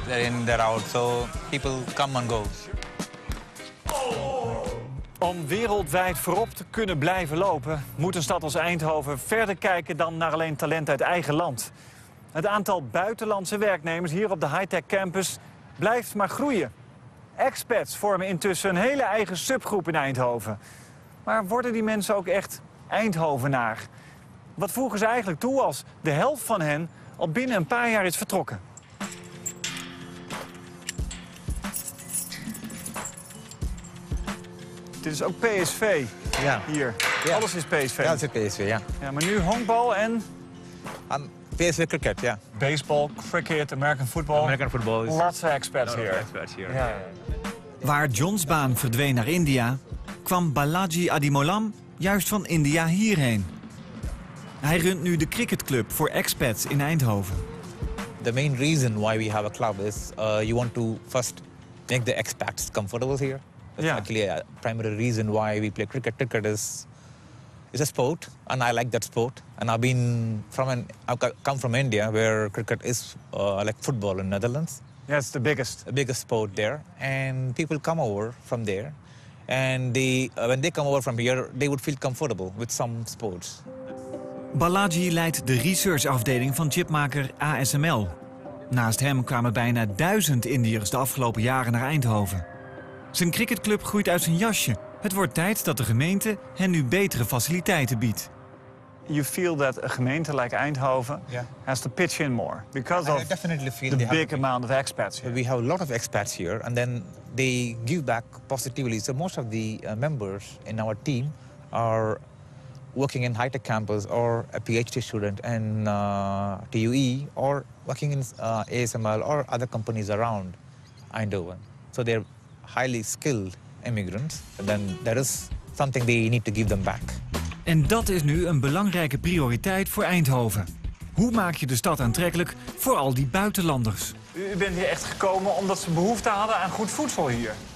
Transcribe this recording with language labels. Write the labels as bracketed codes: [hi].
[en] They're in, they're out, so people come and go. [nl] Om wereldwijd voorop te kunnen blijven lopen, moet een stad als Eindhoven verder kijken dan naar alleen talent uit eigen land. Het aantal buitenlandse werknemers hier op de high-tech campus blijft maar groeien. Expats vormen intussen een hele eigen subgroep in Eindhoven. Maar worden die mensen ook echt Eindhovenaar? Wat voegen ze eigenlijk toe als de helft van hen al binnen een paar jaar is vertrokken? Dit is ook PSV hier. Ja. Alles is PSV. Ja, het is PSV, ja. Ja, maar nu honkbal en? PSV cricket, ja. Baseball, cricket, American football. American football is... [en] Lots of expats here. [nl] Ja. Waar John's baan verdween naar India, kwam Balaji Adimolam juist van India hierheen. Hij runt nu de cricketclub voor expats in Eindhoven. [en] The main reason why we have a club is you want to first make the expats comfortable here. That's actually a primary reason why we play cricket. Cricket is a sport, and I like that sport. And I've come from India, where cricket is like football in Netherlands. Yeah, it's the biggest. The biggest port there. And people come over from there. And they, when they come over from here, they would feel comfortable with some sports. [nl] Balaji leidt de researchafdeling van chipmaker ASML. Naast hem kwamen bijna 1000 Indiërs de afgelopen jaren naar Eindhoven. Zijn cricketclub groeit uit zijn jasje. Het wordt tijd dat de gemeente hen nu betere faciliteiten biedt. [en] You feel that a gemeente like Eindhoven has to pitch in more because of the big amount of expats here. We have a lot of expats here and then they give back positively. So most of the members in our team are working in high-tech campus or a PhD student in TUE or working in ASML or other companies around Eindhoven. So they're highly skilled immigrants. And then there is something they need to give them back. [nl] En dat is nu een belangrijke prioriteit voor Eindhoven. Hoe maak je de stad aantrekkelijk voor al die buitenlanders? U bent hier echt gekomen omdat ze behoefte hadden aan goed voedsel hier.